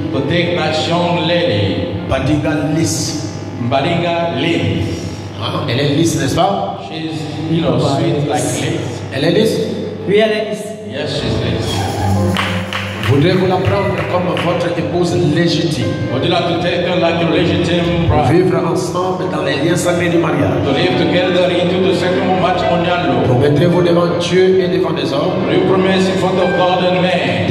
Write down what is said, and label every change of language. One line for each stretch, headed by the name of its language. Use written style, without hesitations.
English: To take that young lady. Badinga Liz. Badinga Liz.
French: Ah, elle est lisse, n'est-ce pas?
English: She's, you know, sweet like lisse.
French: Elle est lisse? Oui, elle est lisse.
English: Yes, she's lisse.
French: Voudrez-vous la prendre comme votre épouse légitime?
English: Would you like to take her like your legitime bride?
French: Vivre ensemble dans les liens sacrés du mariage.
English: To live together into the sacrament matrimonial.
French: Promettez-vous devant Dieu et devant les hommes?
English: Will you promise in front of God and man?